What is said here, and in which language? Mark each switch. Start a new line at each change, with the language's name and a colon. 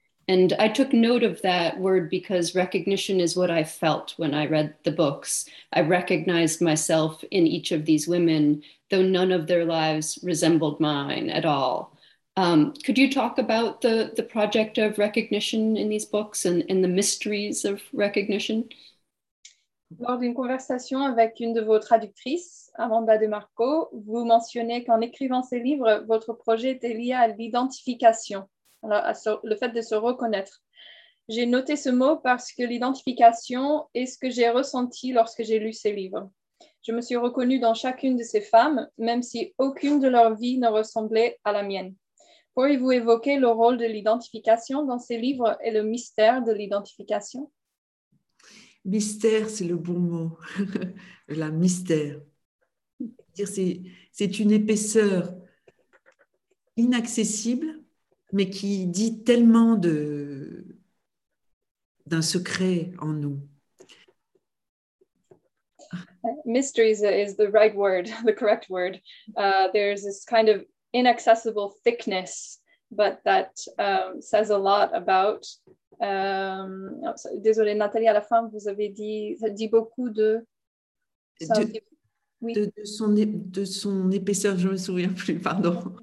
English: And I took note of that word because recognition is what I felt when I read the books. I recognized myself in each of these women, though none of their lives resembled mine at all. Could you talk about the project of recognition in these books and the mysteries of recognition?
French: Lors d'une conversation avec une de vos traductrices, Amanda DeMarco, vous mentionnez qu'en écrivant ces livres, votre projet était lié à l'identification. Alors, le fait de se reconnaître. J'ai noté ce mot parce que l'identification est ce que j'ai ressenti lorsque j'ai lu ces livres. Je me suis reconnue dans chacune de ces femmes, même si aucune de leurs vies ne ressemblait à la mienne. Pourriez-vous évoquer le rôle de l'identification dans ces livres et le mystère de l'identification? Mystère, c'est le bon mot. La mystère. C'est une épaisseur inaccessible, mais qui dit tellement d'un secret en nous.
English: Mystery is the right word, the correct word. There's this kind of inaccessible thickness, but that says a lot about.
French: Désolée, Nathalie, à la fin, vous avez dit, ça dit beaucoup de. De son épaisseur, je ne me souviens plus, pardon.